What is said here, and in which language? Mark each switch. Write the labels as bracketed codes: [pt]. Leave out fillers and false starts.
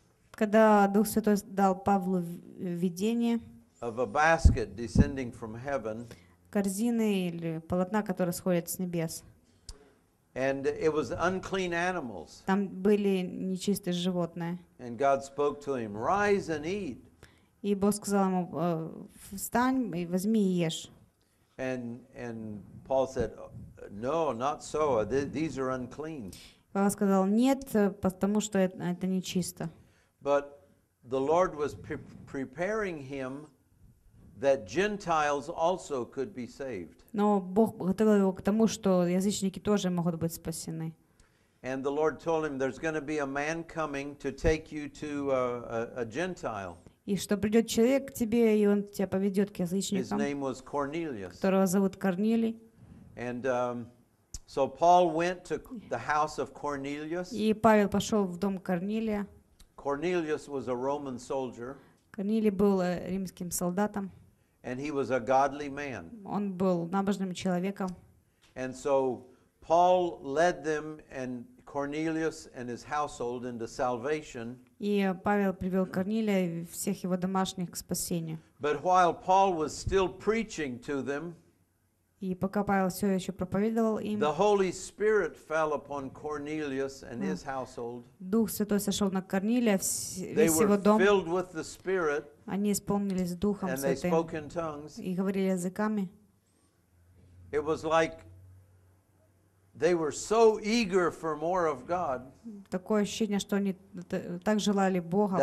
[ru] Когда Дух Святой дал Павлу видение. [en] Of a basket descending from heaven. [ru] Корзины или полотна, которые сходят с небес. [en] And it was unclean animals. [ru] Там были нечистые животные. [en] And God spoke to him, "Rise and eat." [ru] И Бог сказал ему, встань и возьми и ешь. [en] And Paul said, "No, not so. These are unclean." [ru] Павел сказал, нет, потому что это нечисто. [en] But the Lord was preparing him that Gentiles also could be saved. [ru] Но Бог готовил его к тому, что язычники тоже могут быть спасены. [en] And the Lord told him, "There's going to be a man coming to take you to a Gentile." [ru] И что придет человек к тебе, и он тебя поведет к язычникам. [en] His name was Cornelius. [ru] Которого зовут Корнилий. [en] And so Paul went to the house of Cornelius. [ru] И Павел пошел в дом Корнилия. [en] Cornelius was a Roman soldier. [ru] Корнилий был римским солдатом. [en] And he was a godly man. [ru] Он был набожным человеком. [en] And so Paul led them and Cornelius and his household into salvation. [ru] И Павел привел Корнилия и всех его домашних к спасению. [en] But while Paul was still preaching to them, [ru] и пока Павел все еще проповедовал им, [en] the Holy Spirit fell upon Cornelius and his household. [ru] Дух Святой сошел на Корнилия, весь его дом. [en] They were filled with the Spirit. [ru] Они исполнились Духом [en] and [ru] Святым. [en] They spoke in tongues. [ru] И говорили языками. [en] It was like they were so eager for more of God. [ru] Такое ощущение, что они так желали Бога